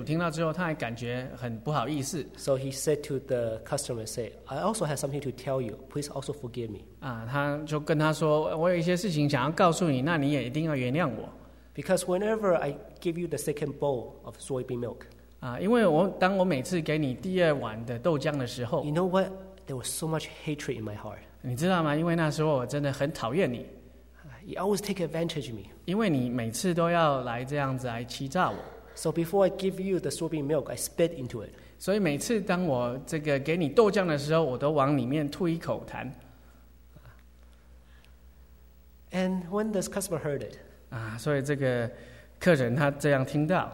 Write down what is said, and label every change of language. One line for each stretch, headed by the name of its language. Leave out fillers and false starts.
Chinese: 那这个主人听到了之后，店主听到之后，他还感觉很不好意思。
English: So he said to the customer, say, I also have something to tell you. Please also forgive me.
Chinese: 他就跟他说，我有一些事情想要告诉你，那你也一定要原谅我。
English: Because whenever I give you the second bowl of soybean milk,
Chinese: 因为当我每次给你第二碗的豆浆的时候，
English: You know what? There was so much hatred in my heart.
Chinese: 你知道吗? 因为那时候我真的很讨厌你。
English: You always take advantage of me.
Chinese: 因为你每次都要来这样子来欺诈我。
English: So before I give you the soybean milk, I spit into it.
Chinese: 所以每次当我这个给你豆浆的时候， 我都往里面吐一口痰。
English: And when this customer heard it,
Chinese: 所以这个客人他这样听到，